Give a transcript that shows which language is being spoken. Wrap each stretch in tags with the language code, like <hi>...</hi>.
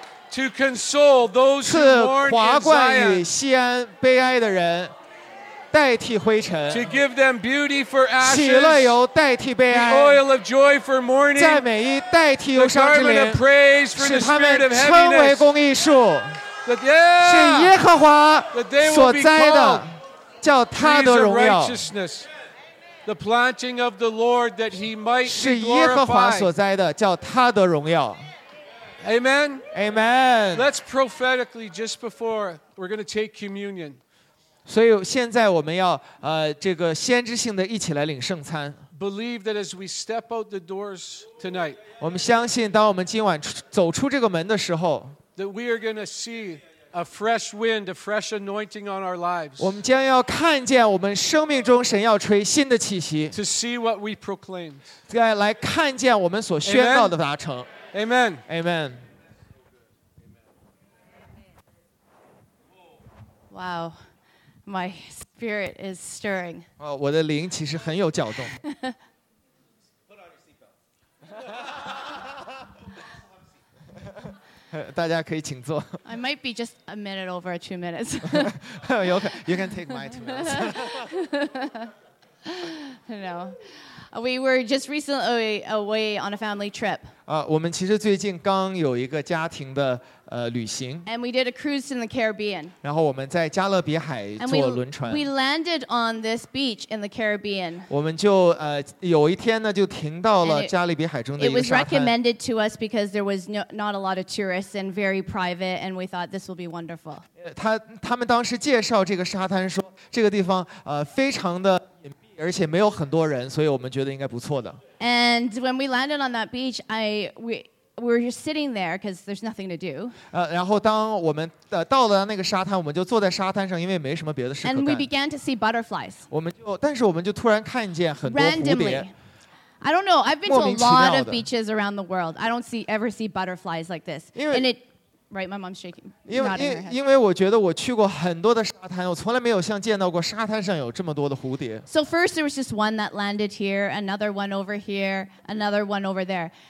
<en>to console those who mourn in Zion, to give them beauty for ashes, the oil of joy for mourning, the garment of praise for the spirit of heaviness, that they will be called trees of righteousness. The planting of the Lord that he might be glorified. Amen. Amen. Let's prophetically, just before we're going to take communion.</en> <zh>所以现在我们要, 这个先知性的一起来领圣餐。</zh> <en>Believe that as we step out the doors tonight,</en> <zh>我们相信当我们今晚走出这个门的时候,</zh> <en>that we are going to see a fresh wind, a fresh anointing on our lives.</en> <zh>我们将要看见我们生命中神要吹新的气息。</zh> <en>To see what we proclaimed.</en> <zh>来看见我们所宣告的达成。</zh> <en>Amen. Amen. Wow, my spirit is stirring.</en> <zh>我的灵其实很有搅动。大家可以请坐。</zh> <en>I might be just a minute over 2 minutes. You can take my 2 minutes. No. We were just recently away on a family trip.</en> <zh>我们其实最近刚有一个家庭的旅行。</zh> <en>And we did a cruise in the Caribbean.</en> <zh>然后我们在加勒比海坐轮船。</zh> <en>We landed on this beach in the Caribbean.</en> <zh>我们就有一天呢就停到了加勒比海中的一个沙滩。</zh> <en>It was recommended to us because there was not a lot of tourists and very private, and we thought this will be wonderful.</en> <zh>他们当时介绍这个沙滩说这个地方非常的隐蔽，而且没有很多人，所以我们觉得应该不错的。</zh> <en>And when we landed on that beach, we were just sitting there because there's nothing to do.</en> <zh>然后当我们到了那个沙滩，我们就坐在沙滩上，因为没什么别的事可干。</zh> <en>And we began to see butterflies.</en> <zh>但是我们就突然看见很多蝴蝶。</zh> <en>I don't know. I've been to a lot of beaches around the world. I don't ever see butterflies like this. Right, my mom's shaking. Because I think I've been to a lot of beaches around the world. So first there was just one that landed here, another one over there.</en>